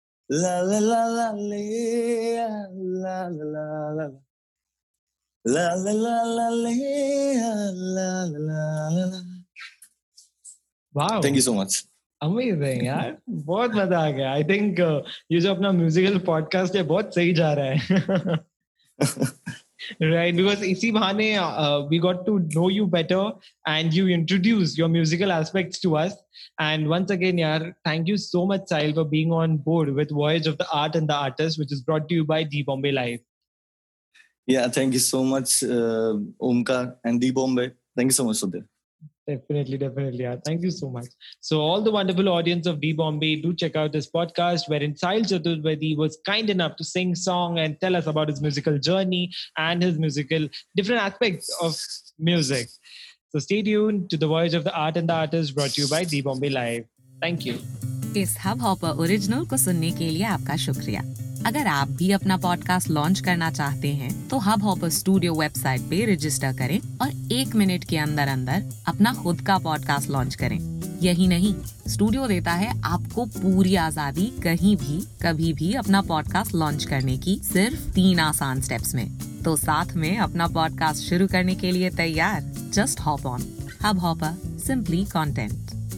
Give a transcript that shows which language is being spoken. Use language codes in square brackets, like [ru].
[en] la la la la le la la la la la la la la la le la la la la la wow thank you so much. [hi] Amazing यार बहुत मजा आ गया. [en] I think [hi] ये जो अपना musical podcast है बहुत सही जा रहा है. [en] Right, because [hi] इसी बहाने [en] we got to know you better and you introduced your musical aspects to us. And once again, yaar, thank you so much, Sahil, for being on board with Voyage of the Art and the Artist, which is brought to you by The Bombay Live. Yeah, thank you so much, Omkar and The Bombay. Thank you so much, Sudhir. Definitely. Yeah. Thank you so much. So all the wonderful audience of D-Bombay, do check out this podcast wherein Sahil Chaturvedi was kind enough to sing song and tell us about his musical journey and his musical different aspects of music. So stay tuned to The Voyage of the Art and the Artist brought to you by D-Bombay Live. Thank you. [hi] इस hub hopper original को सुनने के लिए आपका शुक्रिया अगर आप भी अपना पॉडकास्ट लॉन्च करना चाहते हैं तो हब हॉपर स्टूडियो वेबसाइट पे रजिस्टर करें और एक मिनट के अंदर अंदर अपना खुद का पॉडकास्ट लॉन्च करें यही नहीं स्टूडियो देता है आपको पूरी आजादी कहीं भी कभी भी अपना पॉडकास्ट लॉन्च करने की सिर्फ 3 आसान स्टेप्स में तो साथ में अपना पॉडकास्ट शुरू करने के लिए तैयार [en] just hop on [hi] hub hopper simply content